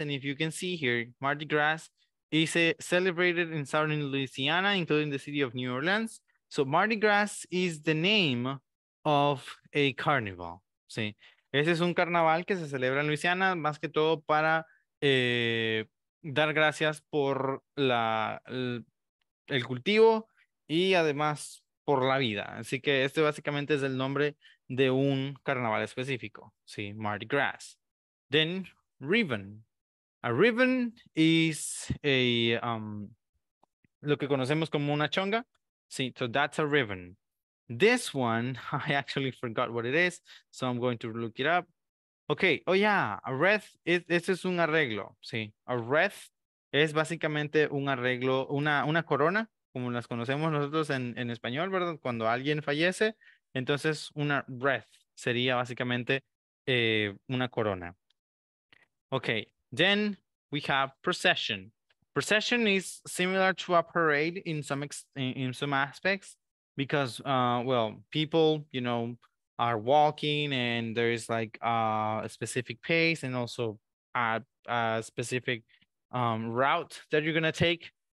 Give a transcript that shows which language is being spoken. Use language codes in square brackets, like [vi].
[en] And if you can see here, Mardi Gras is celebrated in southern Louisiana, including the city of New Orleans. So Mardi Gras is the name of a carnival. [es] Sí, ese es un carnaval que se celebra en Louisiana, más que todo para dar gracias por el cultivo. Y además por la vida. Así que este básicamente es el nombre de un carnaval específico. Sí, Mardi Gras. [en] Then, ribbon. A ribbon is a, [es] lo que conocemos como una chonga. [en] Sí, so that's a ribbon. This one, I actually forgot what it is. So I'm going to look it up. Okay, oh yeah, a wreath, [es] este es un arreglo. Sí, a wreath es básicamente un arreglo, una corona. Como las conocemos nosotros en español, ¿verdad? Cuando alguien fallece, entonces una wreath sería básicamente una corona. [en] Okay, then we have procession. Procession is similar to a parade in some aspects because, well, people, you know, are walking and there is like a specific pace and also a specific route that you're gonna take.